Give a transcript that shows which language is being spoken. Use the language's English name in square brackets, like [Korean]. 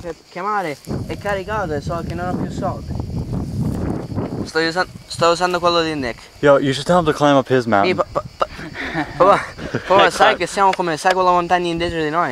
[Italian] Chiamare è caricato e so che non ho più soldi. Sto usando quello di Nick. [English] Yo, you should tell him to climb up his mountain. [Italian] Papà, sai che siamo come, sai quella montagna indietro di noi?